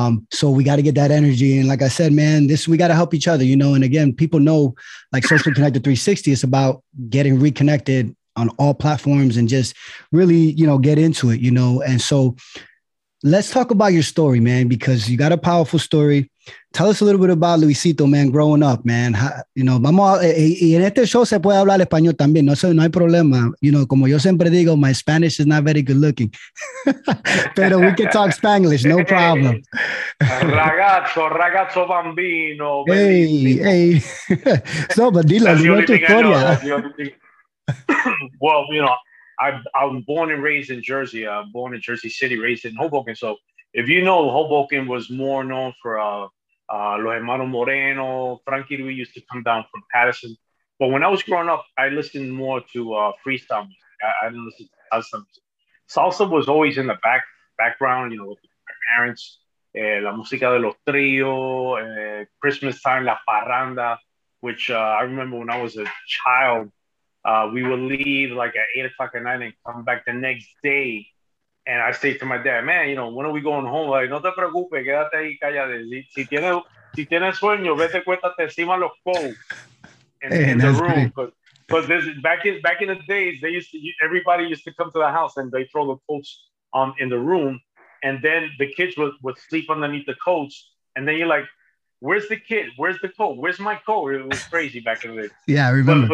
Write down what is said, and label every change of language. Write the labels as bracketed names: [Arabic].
[English] So we got to get that energy. And like I said, man, we got to help each other, you know. And again, people know, like, Social Connected 360 is about getting reconnected on all platforms and just really, you know, get into it, you know. And so let's talk about your story, man, because you got a powerful story. Tell us a little bit about Luisito, man, growing up, man. You know, [Spanish] y en este show se puede hablar español también. No sé, no hay problema. [English] You know, [Spanish] como yo siempre digo, [English] my Spanish is not very good looking. [Spanish] Pero [English] we can talk Spanglish, no problem. [Italian] ragazzo bambino. [English] Hey. So, but [Spanish] dilo tu historia. [English] Well, you know, I was born and raised in Jersey. Born in Jersey City, raised in Hoboken. So, if you know, Hoboken was more known for Los Hermanos Moreno, Frankie Ruiz used to come down from Patterson. But when I was growing up, I listened more to freestyle music. I didn't listen to salsa music. Salsa was always in the background, you know, with my parents. [Spanish] La música de los trios, [English] Christmas time, La Parranda, which I remember when I was a child, we would leave like at 8 o'clock at night and come back the next day. And I say to my dad, man, you know, when are we going home? [Spanish] Like, no te preocupes, quédate ahí, cállate. Si tienes sueño, vete, cuéntate encima los codos. [English] in the room. But this is back in the days, everybody used to come to the house and they throw the coats in the room, and then the kids would sleep underneath the coats, and then you're like, where's the kid? Where's the coat? Where's my coat? It was crazy back in the day. Yeah, I remember.